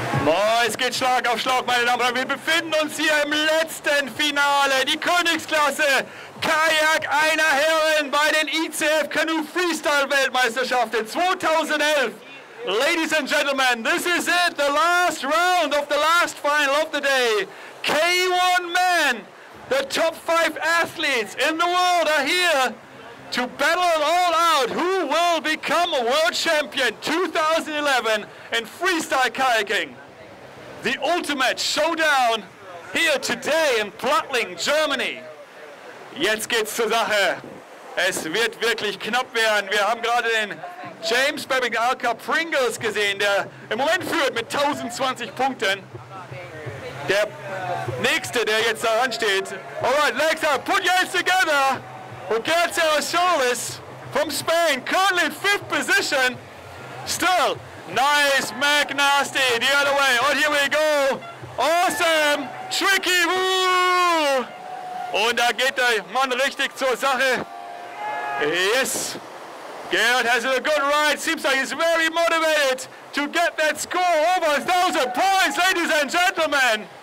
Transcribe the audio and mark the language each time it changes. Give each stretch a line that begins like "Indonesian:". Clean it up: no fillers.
German: Oh, es geht Schlag auf Schlag, meine Damen und Herren. Wir befinden uns hier im letzten Finale. Die Königsklasse. Kajak einer Herren bei den ICF Canoe Freestyle Weltmeisterschaften 2011.
English: Ladies and gentlemen, this is it. The last round of the last final of the day. K1 men, the top 5 athletes in the world are here to battle it all out. Who will become a world champion 2011 in freestyle kayaking? The ultimate showdown here today in Plattling, Germany.
German: Jetzt geht's zur Sache. Es wird wirklich knapp werden. Wir haben gerade den James Bebbington Alka Pringles gesehen, der im Moment führt mit 1020 Punkten. Der Nächste, der jetzt da ansteht.
English: Alright, legs up, put your hands together. Und Gerd Serrasolses from Spain, currently in 5th position. Still, nice McNasty, the other way. Oh, here we go. Awesome, tricky, woo!
German: Und da geht der Mann richtig zur Sache.
English: Yes. Gerd has a good ride. Seems like he's very motivated to get that score over 1,000 points, ladies and gentlemen.